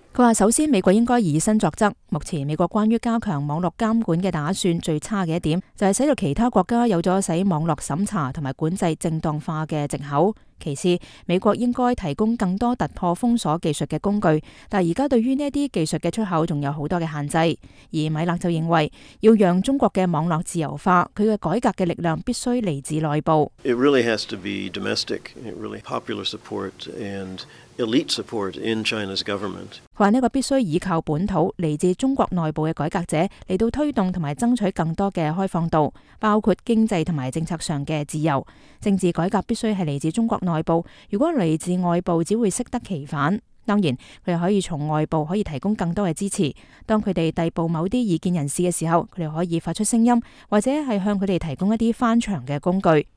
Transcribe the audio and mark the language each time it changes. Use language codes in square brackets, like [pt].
[zh] 他说首先美国应该以身作则，目前美国关于加强网络监管的打算最差的一点，就是使到其他国家有了使网络审查和管制正当化的藉口。其次，美国应该提供更多突破封锁技术的工具，但现在对于这些技术的出口还有很多的限制。而米勒就认为要让中国的网络自由化，它的改革的力量必须来自内部。 [en] It really has to be domestic, really popular support andelite support in China's government. [zh] 他说这个必须依靠本土来自中国内部的改革者来到推动和争取更多的开放度，包括经济和政策上的自由。政治改革必须是来自中国内部，如果来自外部只会适得其反。当然他们可以从外部可以提供更多的支持，当他们逮捕某些意见人士的时候，他们可以发出声音，或者是向他们提供一些翻墙的工具。